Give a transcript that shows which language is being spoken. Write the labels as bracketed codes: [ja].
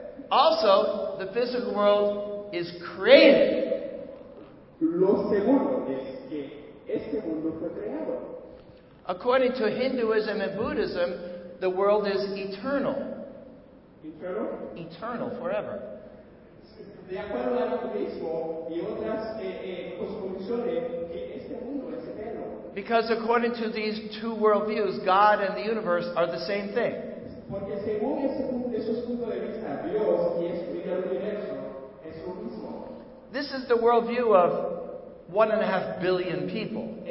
[en] Also, the physical world is created. [es] Lo segundo es que este mundo fue creado. [en] According to Hinduism and Buddhism, the world is eternal. Eternal? Eternal, forever. [es] De acuerdo al budismo y otras cosmovisiones, este mundo es eterno. [en] Because according to these two worldviews, God and the universe are the same thing. [es] Porque según esos puntos de vista, Dios y el universo es lo mismo. [en] This is the worldview of 1.5 billion people.